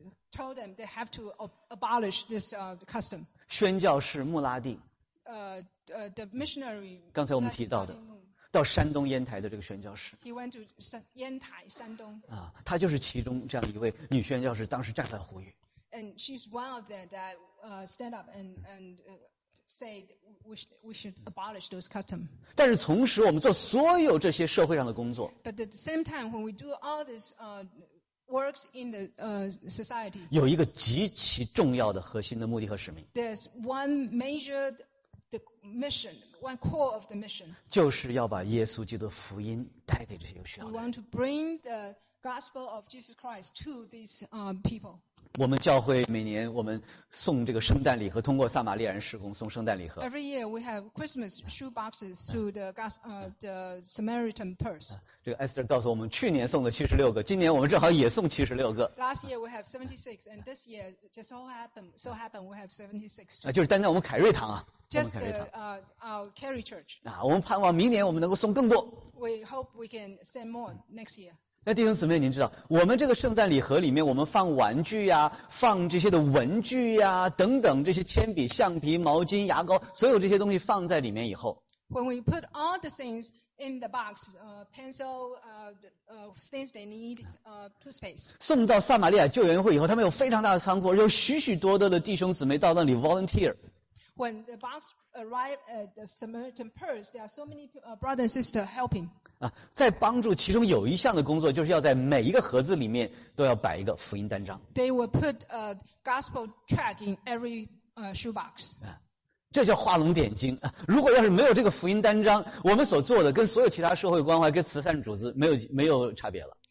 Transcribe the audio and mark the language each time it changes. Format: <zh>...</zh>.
<en>Told them they have to abolish this custom.</en> <zh>宣教士穆拉蒂。</zh> <en>The missionary.</en> <zh>刚才我们提到的，到山东烟台的这个宣教士。</zh> <en>He went to 烟台山东。</en> <zh>他就是其中这样一位女宣教士，当时站出来呼吁。</zh> <en>And she's one of them that stand up and say we should abolish those custom.</en> <zh>但是同时，我们做所有这些社会上的工作。</zh> <en>But at the same time, when we do all this works in the society.</en> <zh>有一个极其重要的核心的目的和使命。</zh> <en>There's one major the mission, one core of the mission.</en> <zh>就是要把耶稣基督的福音带给这些有需要的人。</zh> <en>We want to bring the gospel of Jesus Christ to these people.</en> <zh>我们教会每年我们送这个圣诞礼盒，通过撒玛利亚人事工送圣诞礼盒。</zh> <en>Every year we have Christmas shoe boxes to the Samaritan purse.</en> <zh>这个 Esther 告诉我们，去年送了76个，今年我们正好也送76个。</zh> <en>Last year we have 76, and this year just so happened we have 76.</en> <zh>就是单单我们凯瑞堂啊。</zh> <en>Just our Carey Church.</en> <zh>我们盼望明年我们能够送更多。</zh> <en>We hope we can send more next year.</en> <zh>那弟兄姊妹您知道我们这个圣诞礼盒里面我们放玩具呀、放这些的文具呀、等等这些铅笔橡皮毛巾牙膏所有这些东西放在里面以后</zh> <en>When we put all the things in the box, pencil, things they need, toothpaste.</en> <zh>送到撒玛利亚救援会以后他们有非常大的仓库有许许多多的弟兄姊妹到那里 volunteer.</zh> <en>When the box arrived at the Samaritan Purse, there are so many brothers and sisters helping.</en> <zh>啊，在帮助其中有一项的工作，就是要在每一个盒子里面都要摆一个福音单张。</zh> <en>They will put a gospel tract in every shoebox.</en> <zh>啊，这叫画龙点睛啊！如果要是没有这个福音单张，我们所做的跟所有其他社会关怀、跟慈善组织没有差别了。</zh>